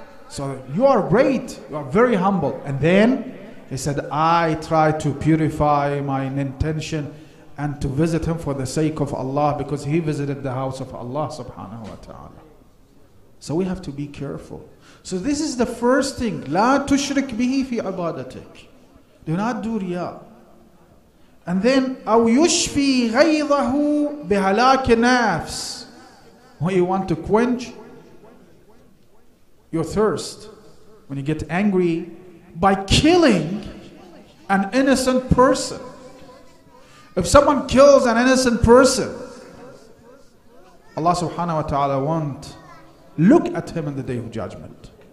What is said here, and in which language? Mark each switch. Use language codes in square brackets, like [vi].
[en] So you are great. You are very humble. And then he said, I try to purify my intention and to visit him for the sake of Allah, because he visited the house of Allah subhanahu wa ta'ala. So we have to be careful. So this is the first thing. [ar] لا تشرك به في عبادتك. [en] Do not do riya. And then [ar] أو يشفي غيظه بهلاك نفس. [en] When you want to quench your thirst, when you get angry, by killing an innocent person. If someone kills an innocent person, Allah subhanahu wa ta'ala won't look at him in the day of judgment.